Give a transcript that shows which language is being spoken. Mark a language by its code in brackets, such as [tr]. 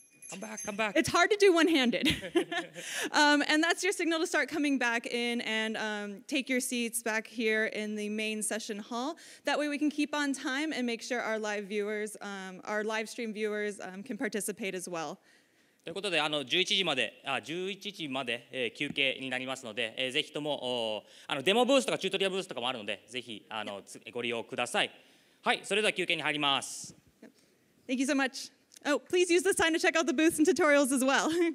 [en] Come back, come back. It's hard to do one-handed. And that's your signal to start coming back in and take your seats back here in the main session hall. That way we can keep on time and make sure our live viewers, our live stream viewers can participate as well. [ja] ということで、11時まで休憩になりますので、ぜひともデモブースとかチュートリアブースとかもあるので、ぜひご利用ください。はい、それでは休憩に入ります。 [en] Thank you so much. Oh, please use the sign to check out the booths and tutorials as well.